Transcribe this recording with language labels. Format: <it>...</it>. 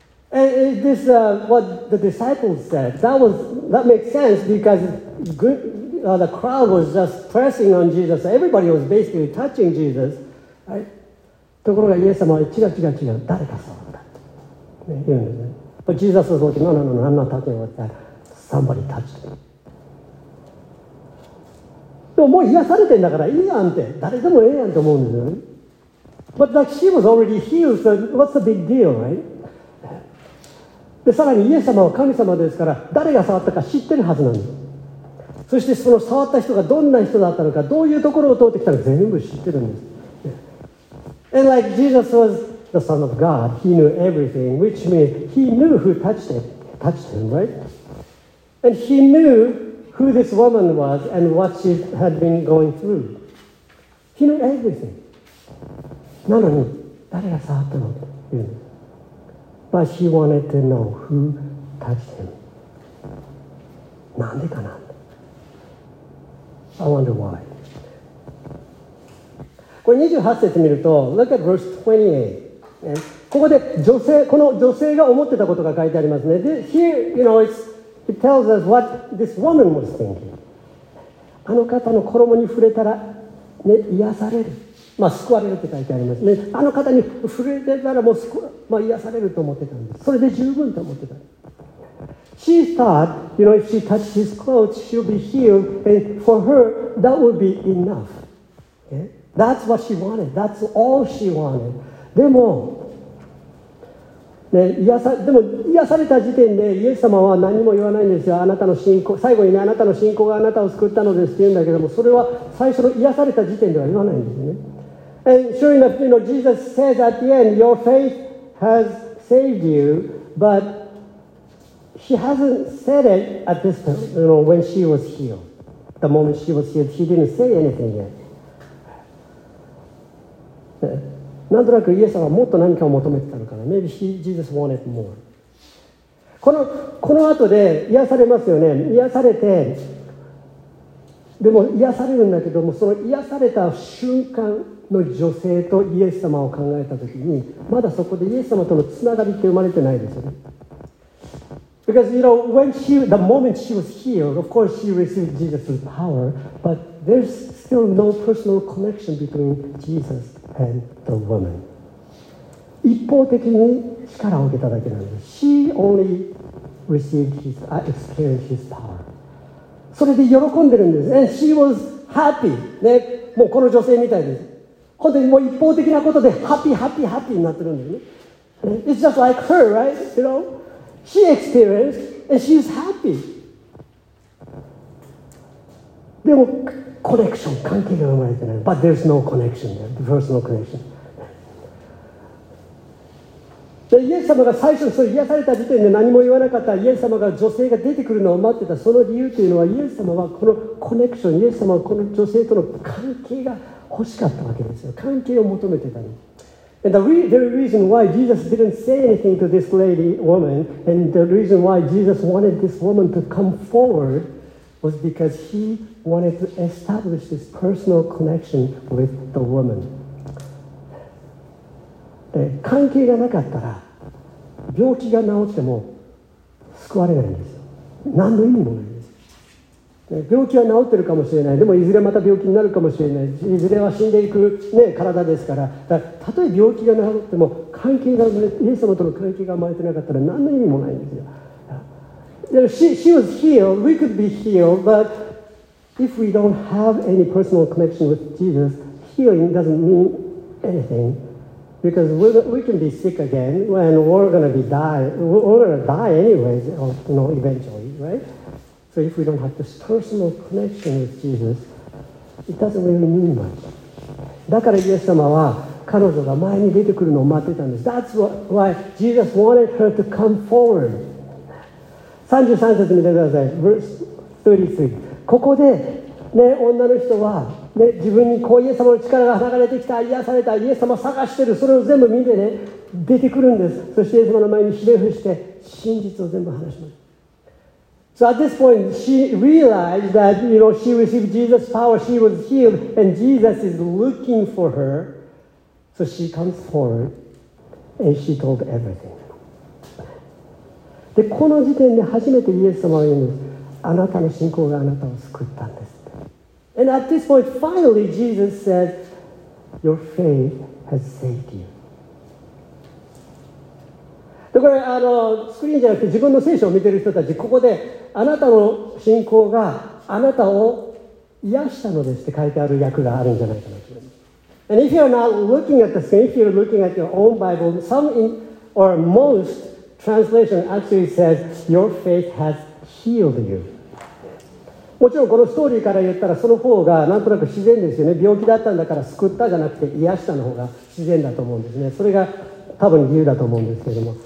<en>And this what the disciples said. That makes sense because the crowd was just pressing on Jesus. Everybody was basically touching Jesus.、Right?</en> <ja>ところがイエス様は違う違う違う。誰か触るだって、ね、言うんですね。</ja> <en>But Jesus was like, no, I'm not touching with that. Somebody touched me.</en> <ja>もう癒されてんだからいいやんって誰でもええやんと思うんですよね。</ja> <en>But like she was already healed, so what's the big deal, right?</en> <ja>でさらにイエス様は神様ですから誰が触ったか知ってるはずなんです。そしてその触った人がどんな人だったのかどういうところを通ってきたのか全部知ってるんです。</ja> <en>And like Jesus was the Son of God, he knew everything, which means he knew who touched him, right? And he knewho this woman was and what she had been going through. He knew everything.</en> <ja>なのに、誰が触ったのって言う。</ja> <en>But she wanted to know who touched him.</en> <ja>なんでかな ?</ja> <en>I wonder why.</en> <ja>これ28節見ると、</ja> <en>look at verse 28.</en> <ja>ここで女性、この女性が思ってたことが書いてありますね。</ja> <en>Here, you know, it'sIt tells us what this woman was thinking.</en> <ja>あの方の衣に触れたら、ね、癒される。まあ、救われるって書いてありますね。あの方に触れてたらもう、まあ、癒されると思ってたんです。それで十分と思ってた。</ja> <en>She thought, you know, if she touched his clothes, she'll be healed. And for her, that would be enough.、Okay? That's what she wanted. That's all she wanted.</en> <ja>でも、ね、でも癒された時点でイエス様は何も言わないんですよ。あなたの信仰、最後にね、あなたの信仰があなたを救ったのですって言うんだけども、それは最初の癒された時点では言わないんですね。</ja> <en>And sure enough, you know, Jesus says at the end, your faith has saved you, but she hasn't said it at this time, you know, when she was healed. The moment she was healed, she didn't say anything yet.</en> <ja>なんとなくイエス様はもっと何かを求めてたのかな。</ja> <en>Maybe he, Jesus wanted more.</en> <ja>この後で癒されますよね。癒されて、でも癒されるんだけども、その癒された瞬間の女性とイエス様を考えたときに、まだそこでイエス様とのつながりって生まれてないですよね。</ja> <en>Because you know, when she, the moment she was healed, of course she received Jesus' power, but there's still no personal connection between JesusAnd the woman.</en> <ja>一方的に力を受けただけなんです。</ja> <en>She only received his, experienced his power.</en> <ja>それで喜んでるんです。</ja> <en>And she was happy.、</en> <ja>ね、もうこの女性みたいです。本当にもう一方的なことで</ja> <en>happy, happy, happy</en> <ja>になってるんですね。</ja> <en>It's just like her, right? You know? She experienced and she's happy.</en> <ja>でもコネクション、関係が生まれてない。</ja> <en>But there's no connection there, the personal connection.</en> <ja>でイエス様が最初にそれ癒された時点で何も言わなかった、イエス様が女性が出てくるのを待ってた、その理由というのは、イエス様はこのコネクション、イエス様はこの女性との関係が欲しかったわけですよ。関係を求めてたの。</ja> <en>And the very reason why Jesus didn't say anything to this lady, woman, and the reason why Jesus wanted this woman to come forward,was because he wanted to establish this personal connection with the woman.</en> <ja>で、関係がなかったら病気が治っても救われないんですよ。何の意味もないんですよ。で、病気は治ってるかもしれない、でもいずれまた病気になるかもしれない、いずれは死んでいく、ね、体ですから、だからたとえ病気が治っても関係が、イエス様との関係が生まれてなかったら何の意味もないんですよ。</ja> <en>She was healed, we could be healed, but if we don't have any personal connection with Jesus, healing doesn't mean anything, because we can be sick again, and we're going to die anyways, or, you know, eventually, right? So if we don't have this personal connection with Jesus, it doesn't really mean much.</en> <ja>だからイエス様は彼女が前に出てくるのを待ってたんです。</ja> <en>That's why Jesus wanted her to come forward.</en> <ja>33節見てください。Verse 33。ここで、ね、女の人はで自分にこうイエス様の力が流れてきた、癒された、イエス様を探してる、それを全部見てね、出てくるんです。そしてイエス様の前にひれ伏して真実を全部話します。</ja> <en>So at this point she realized that you know she received Jesus power, she was healed, and Jesus is looking for her. So she comes forward and she told everything.</en> <ja>でこの時点で初めてイエス様が言うんです。あなたの信仰があなたを救ったんです。</ja> <en>And at this point, finally, Jesus said, "Your faith has saved you."</en> <ja>だからあのスクリーンじゃなくて自分の聖書を見てる人たち、ここであなたの信仰があなたを癒したのですって書いてある訳があるんじゃないかなと思います。</ja> <en>And if you're not looking at the screen, if you're looking at your own Bible, some in, or most translation actually says, "Your faith has healed you."</en> <ja>もちろんこのストーリーから言ったらその方がなんとなく自然ですよね。病気だったんだから救ったじゃなくて癒したの方が自然だと思うんですね。それが多分理由だと思うんですけども。</ja>